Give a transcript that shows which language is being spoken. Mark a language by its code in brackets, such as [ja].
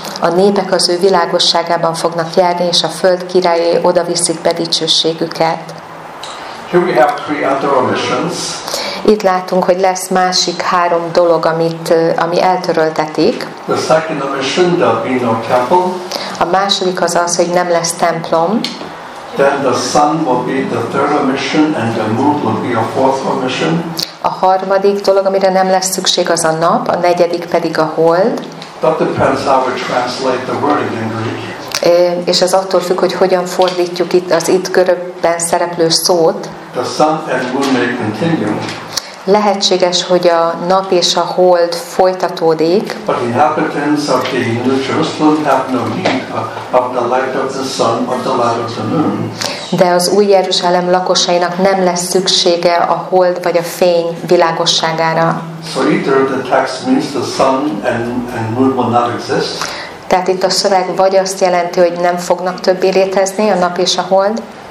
[hu] A népek az ő világosságában fognak járni, és a föld királyai oda viszik be dicsőségüket. [en] Here we have three other omissions. [hu] Itt látunk, hogy lesz másik három dolog, ami eltöröltetik. [en] The second omission, there'll be no temple. [hu] A második az, hogy nem lesz templom. [en] Then the sun will be the third omission, and the moon will be a fourth omission. [hu] A harmadik dolog, amire nem lesz szükség, az a nap, a negyedik pedig a hold. [en] That depends how we translate the word in Greek. [hu] És ez attól függ, hogy hogyan fordítjuk itt az itt körökben szereplő szót. [en] The sun and moon may continue. [hu] Lehetséges, hogy a nap és a hold folytatódik. [en] But the inhabitants of the New Jerusalem have no need of the light of the sun or the light of the moon. [hu] De az Új Jeruzsálem lakosainak nem lesz szüksége a hold vagy a fény világosságára. [en] So either the text means the sun and moon will not exist. [hu] Tehát itt a szöveg vagy azt jelenti, hogy nem fognak többé létezni a nap és a hold.